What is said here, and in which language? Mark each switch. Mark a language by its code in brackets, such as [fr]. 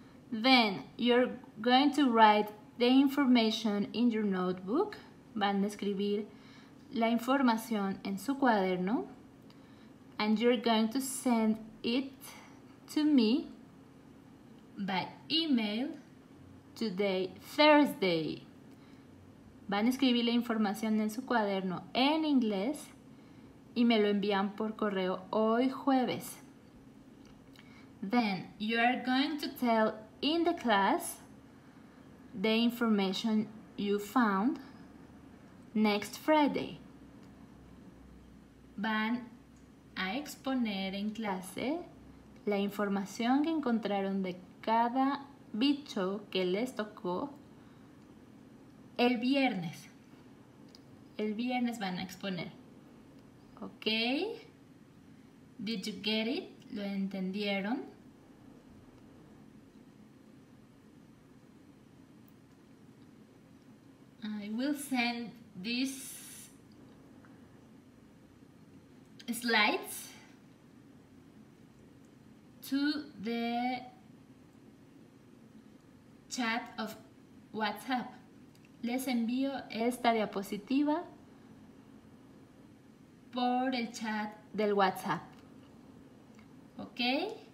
[en] Then you're going to write the information in your notebook. [es] Van a escribir la información en su cuaderno. [en] And you're going to send it to me by email today, Thursday. [es] Van a escribir la información en su cuaderno en inglés y me lo envían por correo hoy jueves. [en] Then you are going to tell in the class the information you found next Friday. [es] Van a exponer en clase la información que encontraron de cada bicho que les tocó el viernes. El viernes van a exponer. [en] Ok, did you get it? [es] ¿Lo entendieron? [en] I will send these slides to the chat of WhatsApp. [es] Les envío esta diapositiva por el chat del WhatsApp. Okay?